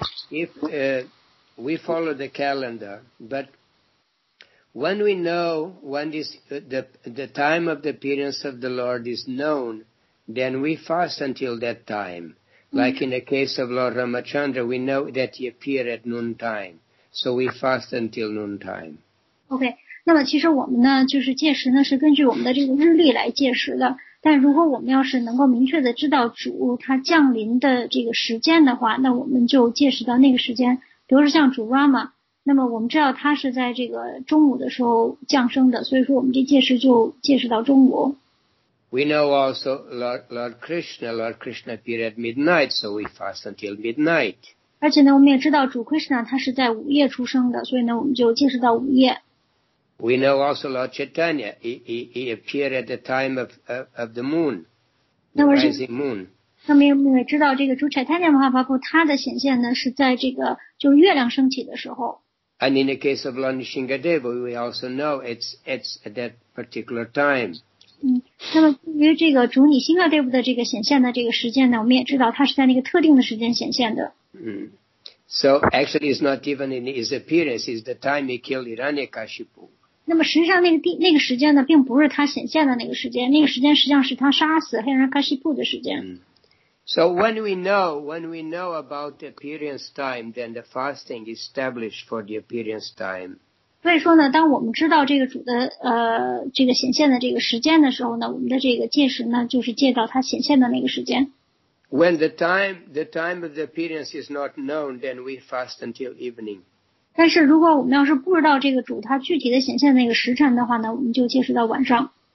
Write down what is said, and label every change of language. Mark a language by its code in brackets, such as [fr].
[en] If we follow the calendar, but when we know when this, the time of the appearance of the Lord is known, then we fast until that time. Like in the case of Lord Ramachandra, we know that he appeared at noontime. So we fast until noontime. [zh] Okay, 那么其实我们呢，就是届时呢，是根据我们的这个日历来届时的。但如果我们要是能够明确的知道主他降临的这个时间的话，那我们就届时到那个时间，比如说像主 Rama, 那么我们知道他是在这个中午的时候降生的，所以说我们这届时就届时到中午。 [en] We know also Lord Krishna. Lord Krishna appeared at midnight, so we fast until midnight. [zh] 而且呢，我们也知道主 Krishna 他是在午夜出生的，所以呢，我们就进食到午夜。 [en] We know also Lord Chaitanya. He appeared at the time of the moon, the rising moon. [zh] 那么我们也知道这个主 Chaitanya Mahaprabhu 他的显现呢是在这个就月亮升起的时候。 [en] And in the case of Lord Nrisimhadeva, we also know it's at that particular time. [zh] 嗯，那么对于这个主女辛伽德布的这个显现的这个时间呢，我们也知道它是在那个特定的时间显现的。 [en] So actually, it's not even in his appearance; it's the time he killed Hiranyakashipu. [zh] 那么实际上那个时间呢，并不是他显现的那个时间，那个时间实际上是他杀死Hiranyakashipu的时间。 [en] So when we know about the appearance time, then the fasting is established for the appearance time. [zh] 所以说呢，当我们知道这个主的这个显现的这个时间的时候呢，我们的这个戒食呢，就是戒到他显现的那个时间。 [en] When the time of the appearance is not known, then we fast until evening. [zh] 但是如果我们要是不知道这个主他具体的显现的那个时辰的话呢，我们就戒食到晚上。